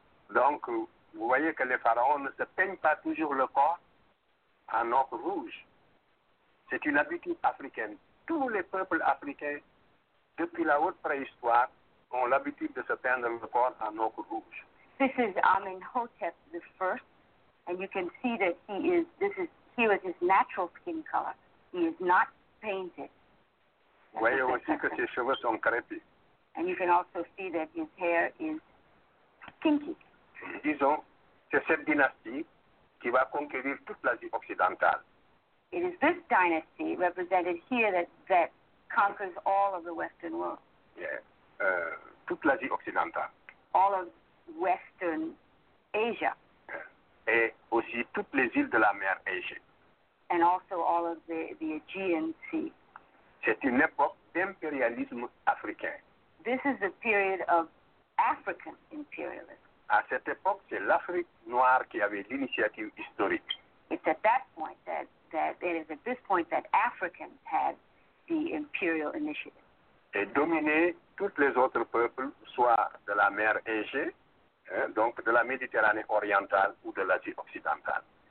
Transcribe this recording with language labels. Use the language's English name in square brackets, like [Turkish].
[French] Donc, vous voyez que les pharaons ne se peignent pas toujours le corps en ocre rouge. C'est une habitude africaine. Tous les peuples africains, depuis la haute préhistoire, ont l'habitude de se peindre le corps en ocre rouge. [English] This is Amenhotep the First, and you can see that he was his natural skin color. He is not painted. [French] Vous voyez aussi que ses cheveux sont crépus. [English] And you can also see that his hair is kinky. [French] Disons, c'est cette dynastie qui va conquérir toute l'Asie occidentale. [English] It is this dynasty represented here that conquers all of the Western world. [French] Toute l'Asie occidentale. [English] All of Western Asia. [French] Et aussi toutes les îles de la mer Égée. [English] And also all of the Aegean Sea. [French] C'est une époque d'impérialisme africain. [English] This is the period of African imperialism. [French] À cette époque, c'est l'Afrique noire qui avait l'initiative historique. [English] It's at that point that it is at this point that Africans had the imperial initiative. [French] Et dominer toutes les autres peuples, soit de la mer Égée, donc de la Méditerranée orientale ou de l'Asie occidentale.